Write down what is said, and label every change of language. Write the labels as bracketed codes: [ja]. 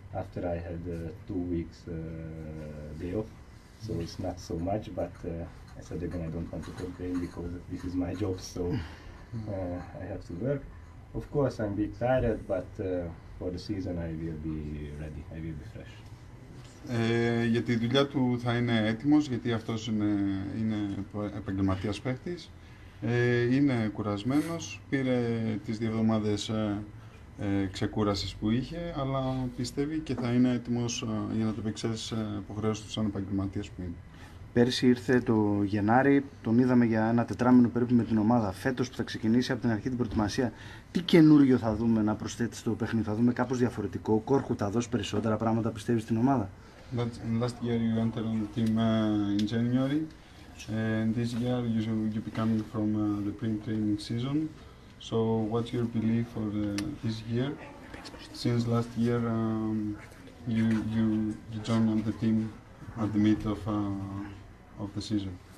[en] After I had 2 weeks day off. So it's not so much, but I said again, I don't want to complain because this is my job, so I have to work. Of course, I'm a bit tired, but for the season I will be ready, I will be fresh. [el] Για τη δουλειά του θα είναι έτοιμος, γιατί αυτός είναι επαγγελματίας παίκτης. Είναι κουρασμένος, πήρε τις 2 εβδομάδες ξεκούρασης που είχε, αλλά πιστεύει και θα είναι έτοιμος για να το επεξέλθει σε υποχρεώσεις του σαν επαγγελματίας που είναι. Πέρσι ήρθε το Γενάρη, τον είδαμε για ένα τετράμινο περίπου με την ομάδα. Φέτος που θα ξεκινήσει από την αρχή την προετοιμασία, τι καινούριο θα δούμε να προσθέτει στο παιχνίδι, θα δούμε κάπως διαφορετικό, Κόρχου, θα δώσει περισσότερα πράγματα πιστεύει στην ομάδα? [en] Last year you entered on the team in January, and this year you become from the pre-training season. So what's your belief for this year? Since last year you joined on the team at the mid of the season.